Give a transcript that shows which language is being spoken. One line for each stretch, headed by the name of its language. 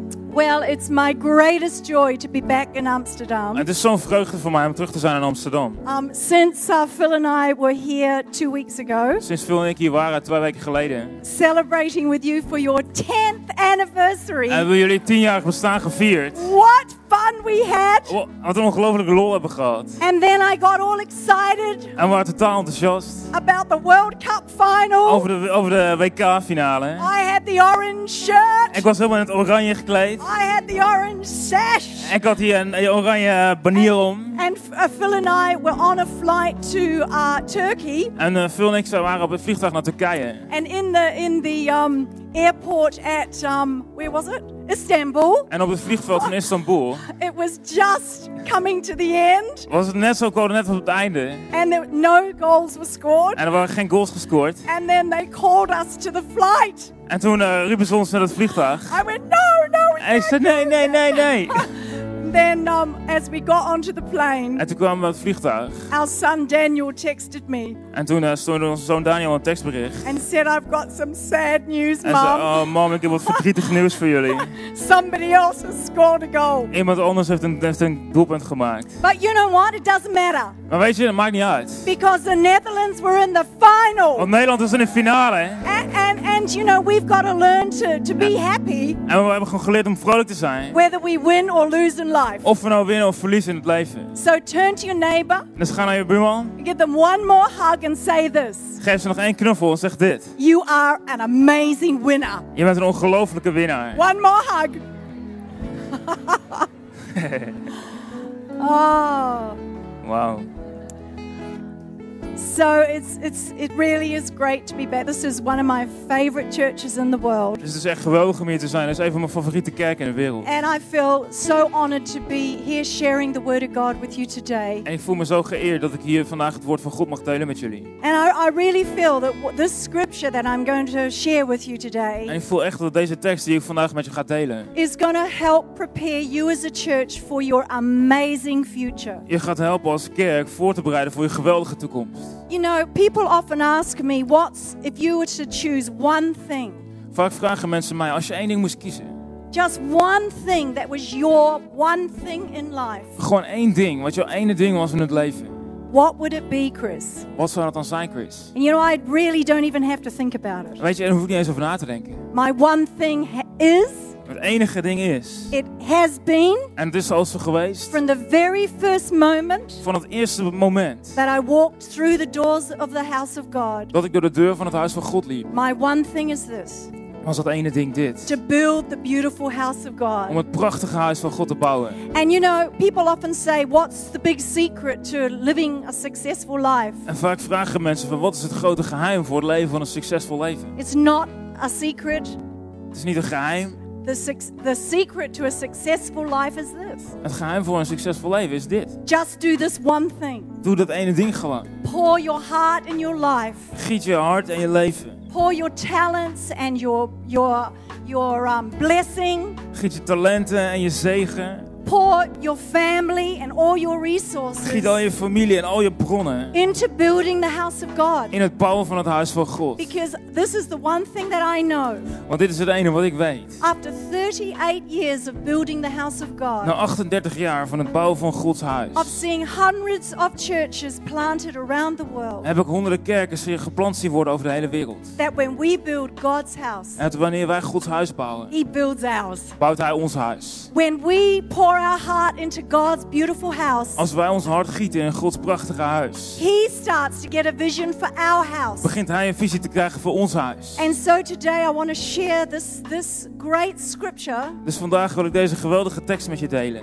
English: Well, it's my greatest joy to be back in Amsterdam.
Dutch: Het is zo'n vreugde voor mij om terug te zijn in Amsterdam.
English: Since Phil and I were here 2 weeks ago.
Dutch: Sinds Phil en ik hier waren 2 weken geleden.
English: Celebrating with you for your 10th anniversary.
Dutch: Hebben we jullie 10-jarig bestaan gevierd.
English: What fun we had.
Dutch: Wat een ongelofelijke lol hebben gehad.
English: And then I got all excited.
Dutch: En we waren totaal enthousiast.
English: About the World Cup final.
Dutch: Over de WK-finale.
English: I had the orange shirt.
Dutch: Ik was helemaal in het oranje gekleed.
English: I had the orange sash.
Dutch: Ik had hier een oranje banier om.
English: And Phil and I were on a flight to Turkey.
Dutch: En Phil en ik waren op het vliegtuig naar Turkije.
English: And in the airport at where was it? Istanbul.
Dutch: En op het vliegveld van Istanbul.
English: It was just coming to the end.
Dutch: Was het net zo kort, net op het einde.
English: And there no goals were scored.
Dutch: En er waren geen goals gescoord.
English: And then they called us to the flight.
Dutch: En toen riepen ze ons naar het vliegtuig.
English: I went no.
Dutch: En ik zei nee.
English: Then as we got onto the plane.
Dutch: En toen kwamen we het vliegtuig.
English: Our son Daniel texted me.
Dutch: En toen stuurde onze zoon Daniel een tekstbericht.
English: And said I've got some sad news,
Dutch: en
English: mom.
Dutch: En zei, mom, ik heb wat verdrietig nieuws voor jullie.
English: Somebody else has scored a goal.
Dutch: Iemand anders heeft een doelpunt gemaakt.
English: But you know what? It doesn't matter.
Dutch: Maar weet je, het maakt niet uit.
English: Because the Netherlands were in the final.
Dutch: Want Nederland is in de finale.
English: And you know we've got to learn to be happy.
Dutch: En we hebben gewoon geleerd om vrolijk te zijn.
English: Whether we win or lose in life.
Dutch: Of we nou winnen of verliezen in het leven.
English: So turn to your neighbor.
Dutch: Dus ga naar je buurman.
English: Give them one more hug and say this.
Dutch: Geef ze nog 1 knuffel en zeg dit.
English: You are an amazing winner.
Dutch: Je bent een ongelofelijke winnaar.
English: One more hug. Oh. Wow. So it really is great to be back. This is one of my favorite churches in the world.
Dutch: Dit is echt geweldig om hier te zijn. Dit is een van mijn favoriete kerken in de wereld.
English: And I feel so honored to be here sharing the word of God with you today.
Dutch: En ik voel me zo geëerd dat ik hier vandaag het woord van God mag delen met jullie.
English: And I really feel that this scripture that I'm going to share with you today.
Dutch: En ik voel echt dat deze tekst die ik vandaag met je ga delen.
English: Is going to help prepare you as a church for your amazing future.
Dutch: Je gaat helpen als kerk voor te bereiden voor je geweldige toekomst.
English: You know, people often ask me, what's if you were to choose one thing?
Dutch: Vaak vragen mensen mij, als je 1 ding moest kiezen.
English: Just one thing that was your one thing in life.
Dutch: Gewoon 1 ding, wat jouw ene ding was in het leven.
English: What would it be, Chris?
Dutch: Wat zou dat dan zijn, Chris?
English: And you know, I really don't even have to think about it.
Dutch: Weet je, dan hoef ik niet eens over na te denken.
English: My one thing is.
Dutch: Het enige ding is.
English: It has been.
Dutch: En het is al zo geweest.
English: From the very first moment.
Dutch: Van het eerste moment.
English: That I walked through the doors of the house of God.
Dutch: Dat ik door de deur van het huis van God liep.
English: My one thing is this.
Dutch: was dat ene ding dit.
English: To build the beautiful house of God.
Dutch: Om het prachtige huis van God te bouwen.
English: And you know, people often say, what's the big secret to living a successful life?
Dutch: En vaak vragen mensen van, wat is het grote geheim voor het leven van een succesvol leven?
English: It's not a secret.
Dutch: Het is niet een geheim.
English: The secret to a successful life is this.
Dutch: Het geheim voor een succesvol leven is dit.
English: Just do this one thing.
Dutch: Doe dat ene ding gewoon.
English: Pour your heart and your life.
Dutch: Giet je hart en je leven.
English: Pour your talents and your blessing.
Dutch: Giet je talenten en je zegen.
English: Pour your family and all your resources.
Dutch: Giet al je familie en al je bronnen.
English: Into building the house of God.
Dutch: In het bouwen van het huis van God.
English: Because this is the one thing that I know.
Dutch: Want dit is het ene wat ik weet.
English: After 38 years of building the house of God.
Dutch: Na 38 jaar van het bouwen van Gods huis.
English: Of seeing hundreds of churches planted around the world.
Dutch: Heb ik honderden kerken zien geplant zien worden over de hele wereld.
English: That when we build God's house.
Dutch: En dat wanneer wij Gods huis bouwen.
English: He builds ours.
Dutch: Bouwt hij ons huis.
English: When we pour our heart into God's beautiful house.
Dutch: Als wij ons hart gieten in Gods prachtige huis.
English: He starts to get a vision for our house.
Dutch: Begint hij een visie te krijgen voor ons huis.
English: And so today I want to share this great scripture.
Dutch: Dus vandaag wil ik deze geweldige tekst met je delen.